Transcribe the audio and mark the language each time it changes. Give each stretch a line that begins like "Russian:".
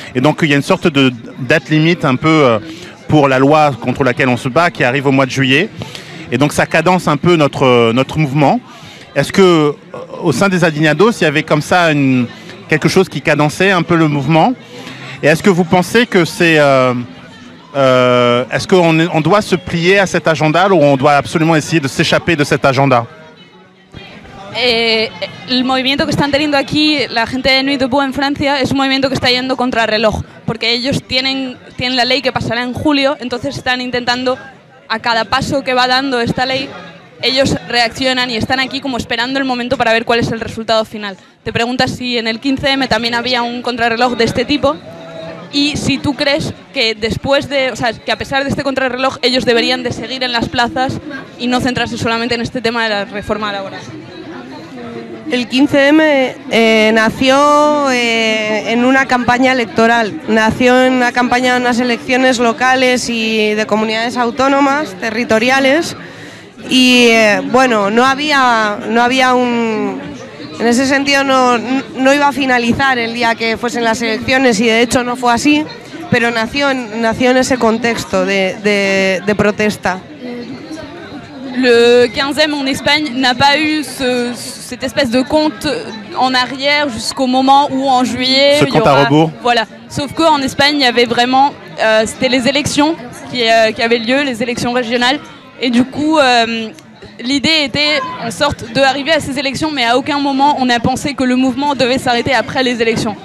French: Et donc il y a une sorte de date limite un peu pour la loi contre laquelle on se bat qui arrive au mois de juillet, et donc ça cadence un peu notre mouvement. Est-ce que au sein des Adinados il y avait comme ça quelque chose qui cadençait un peu le mouvement? Et est-ce que vous pensez que c'est est-ce qu'on doit se plier à cet agenda ou on doit absolument essayer de s'échapper de cet agenda?
Spanish: El movimiento que están teniendo aquí la gente de Nuit Debout en Francia es un movimiento que está yendo contra reloj, porque ellos tienen la ley que pasará en julio, entonces están intentando, a cada paso que va dando esta ley, ellos reaccionan y están aquí como esperando el momento para ver cuál es el resultado final. Te preguntas si en el 15M también había un contrarreloj de este tipo y si tú crees que después de, o sea, que a pesar de este contrarreloj ellos deberían de seguir en las plazas y no centrarse solamente en este tema de la reforma laboral. El 15M nació en una campaña electoral, nació en una campaña de unas elecciones locales y de comunidades autónomas, territoriales, y bueno, en ese sentido no iba a finalizar el día que fuesen las elecciones, y de hecho no fue así, pero nació en ese contexto de protesta.
French: Le 15e en Espagne n'a pas eu cette espèce de compte en arrière jusqu'au moment où en juillet... Ce compte à rebours. Voilà. Sauf qu'en Espagne, il y avait vraiment... c'était les élections qui avaient lieu, les élections régionales. Et du coup, l'idée était en sorte d'arriver à ces élections, mais à aucun moment on a pensé que le mouvement devait s'arrêter après les élections.